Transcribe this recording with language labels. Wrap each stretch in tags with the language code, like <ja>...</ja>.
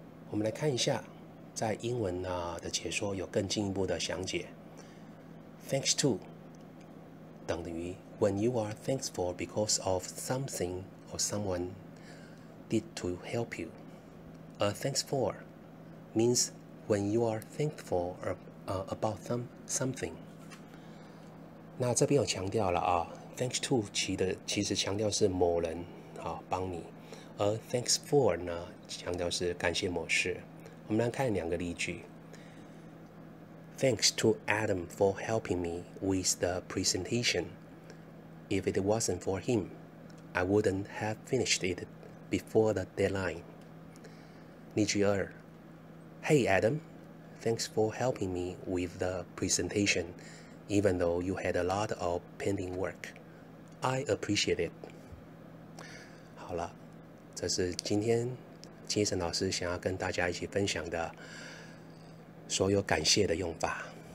<zh>我们来看一下在英文的解说有更进一步的详解。</zh> <en>thanks to</en> <zh>等于</zh> <en>when you are thankful because of something or someone did to help you. A thanks for means when you are thankful about something.</en> <zh>那这边有强调了</zh> <en>thanks to</en> <zh>其实强调是某人帮你，而</zh> <en>thanks for</en> <zh>呢强调是感谢某事。我们来看两个例句，</zh> <en>Thanks to Adam for helping me with the presentation. If it wasn't for him, I wouldn't have finished it before the deadline.</en> <zh>例句二</zh> <en>Hey Adam, thanks for helping me with the presentation, even though you had a lot of pending work. I appreciate it.</en> <zh>好了，这是今天金森老师想要跟大家一起分享的所有感谢的用法。</zh>